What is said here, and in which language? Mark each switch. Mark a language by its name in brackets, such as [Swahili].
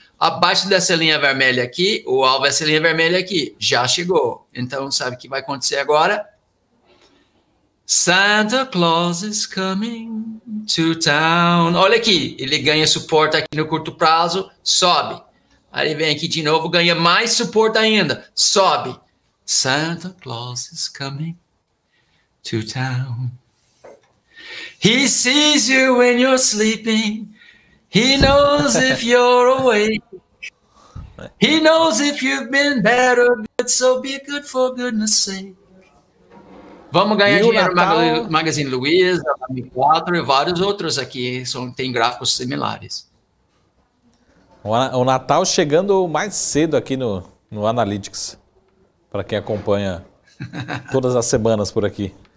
[Portuguese] Abaixo dessa linha vermelha aqui, o alvo é essa linha vermelha aqui, já chegou. Então, sabe o que vai acontecer agora? [English] Santa Claus is coming. to town. [Portuguese] Olha aqui, ele ganha suporte aqui no curto prazo, sobe. Aí ele vem aqui de novo, ganha mais suporte ainda, sobe. [English] Santa Claus is coming to town. He sees you when you're sleeping. He knows if you're awake. He knows if you've been bad or good. So be good for goodness sake. [Portuguese] Vamos ganhar e dinheiro. Magazine Luiza, M4 e vários outros aqui. Tem gráficos similares. O Natal chegando mais cedo aqui no Analytics. Para quem acompanha todas as semanas por aqui.